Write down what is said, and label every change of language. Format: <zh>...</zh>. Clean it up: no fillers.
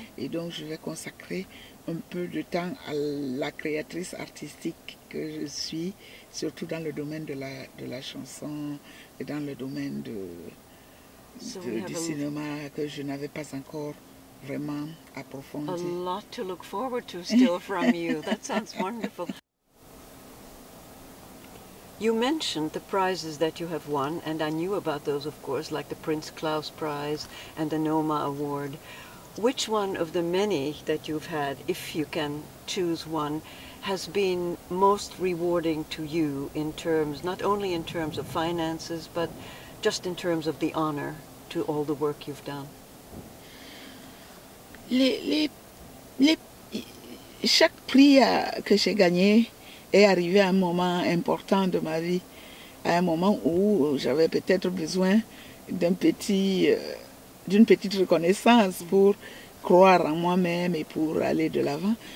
<fr>Et donc je vais consacrer un peu de temps à la créatrice artistique que je suis, surtout dans le domaine de la chanson et dans le domaine du cinéma que je n'avais pas encore vraiment approfondi.</fr> <en>A lot to look forward to still from you. That sounds wonderful. You mentioned the prizes that you have won, and I knew about those, of course, like the Prince Claus Prize and the NOMA Award. Which one of the many that you've had, if you can choose one, has been most rewarding to you in terms, not only in terms of finances, but just in terms of the honor to all the work you've done?</en> <fr>Chaque prix que j'ai gagné est arrivé à un moment important de ma vie. à un moment où j'avais peut-être besoin d'une petite reconnaissance pour croire en moi-même et pour aller de l'avant.</fr>